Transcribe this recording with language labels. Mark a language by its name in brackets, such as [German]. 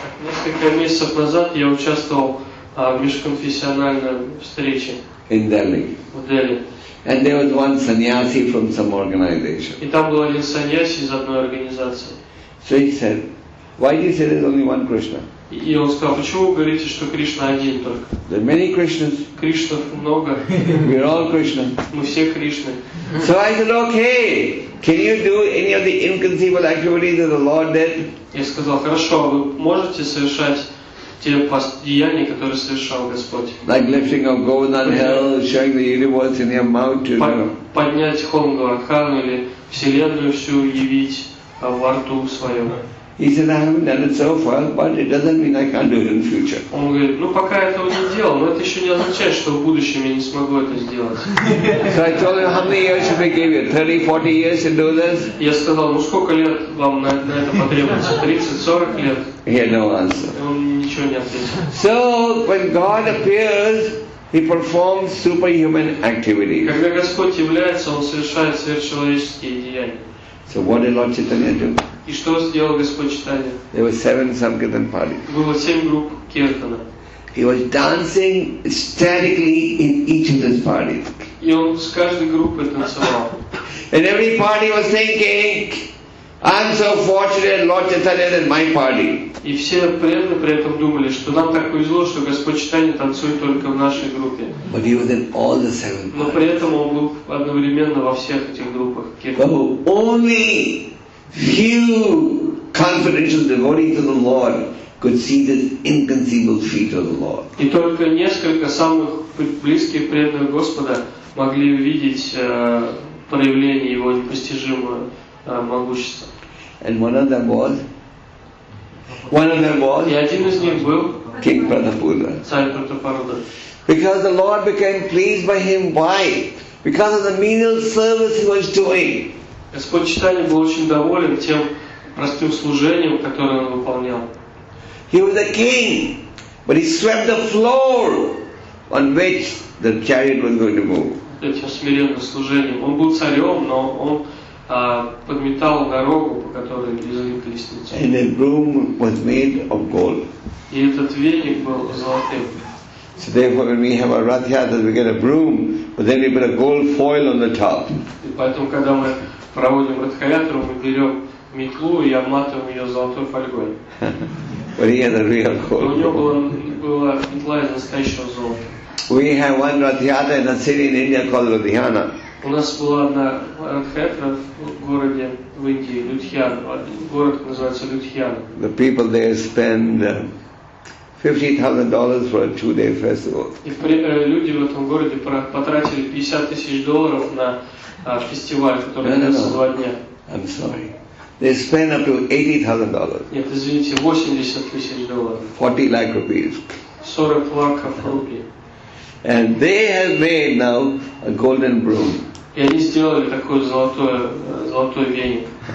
[Russian] Несколько месяцев назад я участвовал в межконфессиональной встрече. [English] In Delhi. [Russian] В Дели. [English] And there was one sannyasi from some organization. [Russian] И там был один саньяси из одной организации. [English] So he said, "Why do you say there's only one Krishna?" [Russian] И он сказал, почему вы говорите, что Кришна один только? [English] There are many Krishnas. [Russian] Кришнов много. [English] We're all Krishna. [Russian] Мы все Кришны. [English] So I said, "Okay, can you do any of the inconceivable activities that the Lord did?" [Russian] Я сказал, хорошо, вы можете совершать те деяния, которые совершал Господь. [English] Like lifting of Govardhan Hill, showing the universe in your mouth. [Russian] Поднять холм Говардхану или вселенную всю явить во рту своем. [English] He said, "I haven't done it so far, but it doesn't mean I can't do it in the future." [Russian] Он говорит, ну пока я этого не делал, но это еще не означает, что в будущем я не смогу это сделать. [English] So I told him, "How many years should I give you? 30, 40 years to do this?" [Russian] Я сказал, ну сколько лет вам на это потребуется? 30-40 лет? [English] He had no answer. [Russian] Он ничего не ответил. [English] So when God appears, He performs superhuman activities. [Russian] Когда Господь является, Он совершает сверхчеловеческие деяния. [English] So what did Lord Chaitanya do? [Russian] И что сделал Господь Читания? [English] There were 7 Sankirtan parties. [Russian] Было 7 групп киртана. [English] He was dancing ecstatically in each of those parties. [Russian] И он с каждой группой танцевал. [English] And every party was thinking, "I'm so fortunate, Lord Chaitanya is in my party." [Russian] И все преданные при этом думали, что нам так повезло, что Господь Читания танцует только в нашей группе. [English] But he was in all the 7. [Russian] Но при этом он был одновременно во всех этих группах киртана. [English] Only few confidential devotees of the Lord could see this inconceivable feat of the Lord. [Russian] И только несколько самых близких преданных Господа могли увидеть проявление Его непостижимого могущества. [English] And one of them was. [Russian] И один из них был. [English] King Pratapuda. [Russian] Царь Пратапаруда. [English] Because the Lord became pleased by him. Why? Because of the menial service he was doing. [Russian] Господь Читания был очень доволен тем простым служением, которое он выполнял. [English] He was a king, but he swept the floor on which the chariot was going to move. [Russian] Этим смиренным служением. Он был царем, но он подметал дорогу, по которой везли колесницу. [English] And the room was made of gold. [Russian] И этот веник был золотым. [English] So therefore, when we have a rath yatra, we get a broom, but then we put a gold foil on the top. [Russian] И поэтому, когда мы проводим радхаятру, мы берем метлу и обматываем ее золотой фольгой. [English] But he had a real gold. [Russian] У него была метла из настоящего золота. [English] We have one radhyatra in a city in India called Ludhiana. [Russian] У нас была одна радхаятра в городе в Индии, Людхиана. Город называется Людхиана. [English] The people there spend $50,000 for a 2-day festival. [Russian] И люди в этом городе потратили $50,000 на фестиваль, который длится 2 дня. [English] I'm sorry. They spent up to $80,000. [Russian] Нет, извините, $80,000. [English] 40 lakh rupees. [Russian] 40 лаков рупий. [English] And they have made now a golden broom. [Russian] И они сделали такой золотой веник.